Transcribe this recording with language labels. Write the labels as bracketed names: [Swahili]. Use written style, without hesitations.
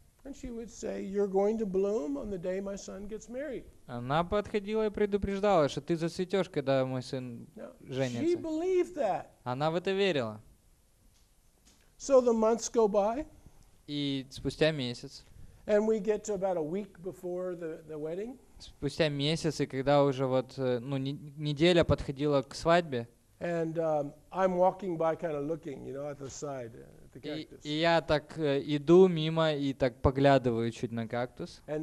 [English] And she would say, "You're going to bloom on the day my son gets married." [Russian] Она подходила и предупреждала, что ты зацветешь, когда мой сын женится. [English] She believed that. [Russian] Она в это верила. [English] So the months go by. [Russian] И спустя месяц. [English] And we get to about a week before the wedding. [Russian] Спустя месяц, и когда уже вот, ну, неделя подходила к свадьбе, и я так иду мимо и так поглядываю чуть на кактус.